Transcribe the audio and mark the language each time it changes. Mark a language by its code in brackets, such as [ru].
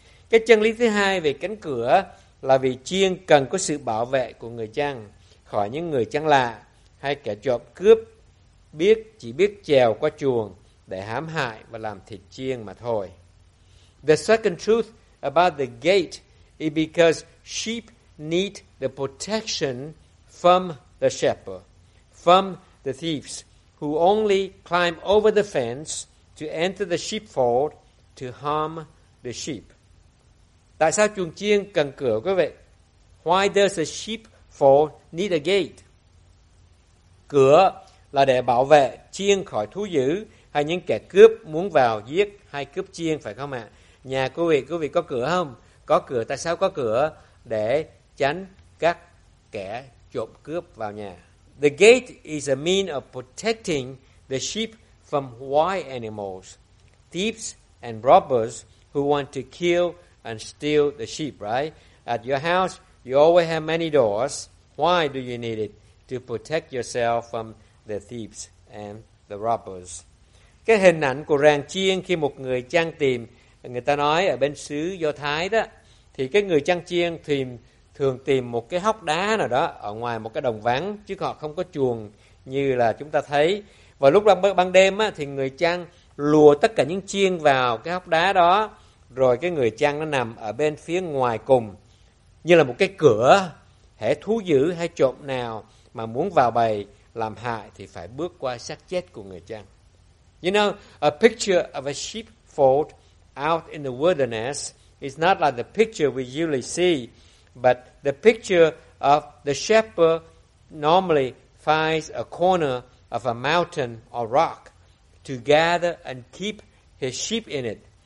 [vi] Cái chân lý thứ hai về cánh cửa là vì chiên cần có sự bảo vệ của người chăn khỏi những người chăn lạ hay kẻ trộm cướp chỉ biết trèo qua chuồng để hãm hại và làm thịt chiên mà thôi. [en] The second truth about the gate is because sheep need the protection from the shepherd, from the thieves, who only climb over the fence to enter the sheepfold to harm the sheep. [vi] Tại sao chuồng chiên cần cửa quý vị? [en] Why does a sheepfold need a gate? [vi] Cửa là để bảo vệ chiên khỏi thú dữ hay những kẻ cướp muốn vào giết hay cướp chiên, phải không ạ? Nhà quý vị có cửa không? Có cửa, tại sao có cửa? Để tránh các kẻ trộm cướp vào nhà. [en] The gate is a mean of protecting the sheep from wild animals, thieves and robbers who want to kill and steal the sheep, right? At your house, You always have many doors. Why do you need it? To protect yourself from the thieves and the robbers. [vi] Cái hình ảnh của ràng chiên khi một người trang tìm, người ta nói ở bên xứ Do Thái đó, thì cái người trang chiên thường tìm một cái hốc đá nào đó ở ngoài một cái đồng vắng, chứ họ không có chuồng như là chúng ta thấy. Và lúc ban đêm á, thì người trang lùa tất cả những chiên vào cái hốc đá đó, rồi cái người trang nó nằm ở bên phía ngoài cùng, như là một cái cửa, hễ thú dữ hay trộm nào mà muốn vào bầy làm hại thì phải bước qua xác chết của người trang. [en] You know, a picture of a sheepfold out in the wilderness is not like the picture we usually see, but the picture of the shepherd normally finds a corner of a mountain or rock to gather and keep his sheep in it.